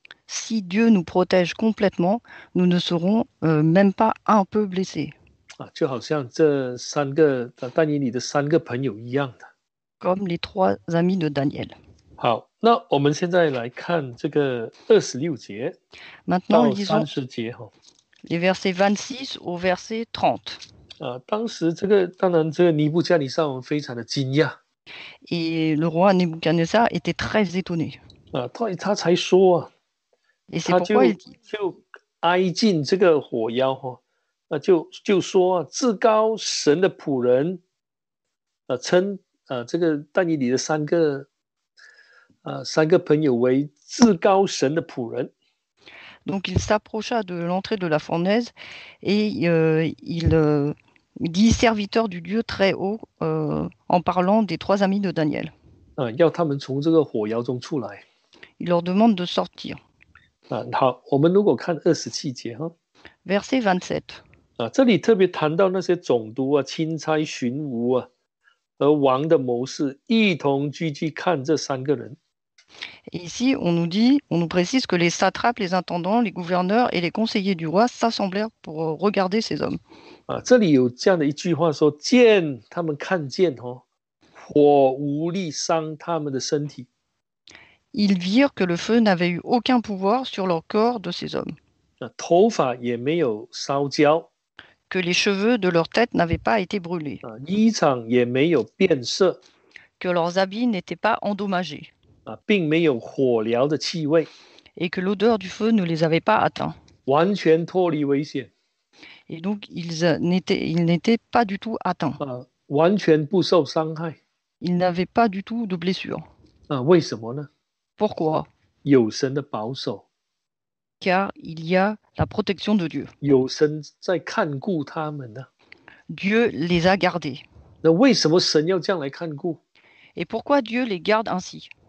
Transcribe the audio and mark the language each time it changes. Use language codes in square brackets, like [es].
[fr] Si Dieu nous protège complètement, nous ne serons même pas un peu blessés. [zh] 就好像这三个但以理的三个朋友一样的。 [fr] Comme les 3 amis de Daniel. [zh] 好，那我们现在来看这个26节 [fr] Maintenant, [zh] 到 [fr] lisons [zh] 30节哈。 [fr] les versets 26 au verset 30. [zh] 当时这个当然这个尼布加尼撒王非常的惊讶。 [fr] Et le roi Nebuchadnezzar était très étonné. [zh] 他才说啊。 [fr] Et c'est [zh] 他 [fr] pourquoi il dit. [zh] 就挨近这个火窑哈，就说啊，至高神的仆人，称这个但以理的三个朋友为至高神的仆人。 [fr] Donc il s'approcha de l'entrée de la fournaise et il dit serviteur du Dieu très haut en parlant des trois amis de Daniel. [zh] 要他们从这个火窑中出来。 [fr] Il leur demande de sortir. [zh] 好，我们如果看二十七节哈。 [fr] Verset 27. [zh] 这里特别谈到那些总督啊、钦差、巡抚啊和王的谋士一同聚集看这三个人。 [fr] Et ici, on nous dit, on nous précise que les satrapes, les intendants, les gouverneurs et les conseillers du roi s'assemblèrent pour regarder ces hommes. [zh] 这里有这样的一句话说，见他们看见哦，火无力伤他们的身体。 [fr] Ils virent que le feu n'avait eu aucun pouvoir sur le corps de ces hommes. [zh] 头发也没有烧焦。 [fr] Que les cheveux de leur tête n'avaient pas été brûlés. [zh] 衣裳也没有变色。 [fr] Que leurs habits n'étaient pas endommagés. [zh] 并没有火燎的气味 [fr] et que l'odeur du feu ne les avait pas atteints. [zh] 完全脱离危险 [fr] et donc ils n'étaient pas du tout atteints. [zh] 完全不受伤害 [fr] ils n'avaient pas du tout de blessure. [zh] 为什么呢 [fr] pourquoi? [zh] 有神的保守 [fr] car il y a la protection de Dieu. [zh] 有神在看顾他们呢 [fr] Dieu les a gardés. [zh] 那为什么神要这样来看顾 [fr] et pourquoi Dieu les garde ainsi?